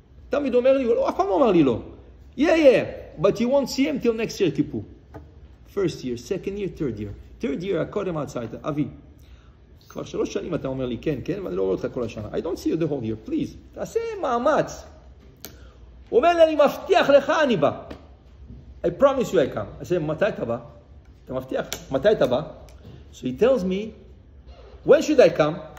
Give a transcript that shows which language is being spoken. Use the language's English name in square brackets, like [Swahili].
[Hebrew] תמיד אומר לי, אף פעם אמר לי לא. [English] Yeah, but you won't see him till next year, Kippur. First year, second year, third year. Third year, I caught him outside. [Hebrew] Avi, כבר 3 שנים אתה אומר לי, כן, ואני לא רואה אותך כל השנה. [English] I don't see you the whole year, please. [Hebrew] תעשה מאמץ. הוא אומר לי, אני מבטיח לך, אני בא. [English] I promise you I come. I say, [Hebrew] מתי אתה בא? אתה מבטיח? מתי אתה בא? [English] So he tells me, when should I come?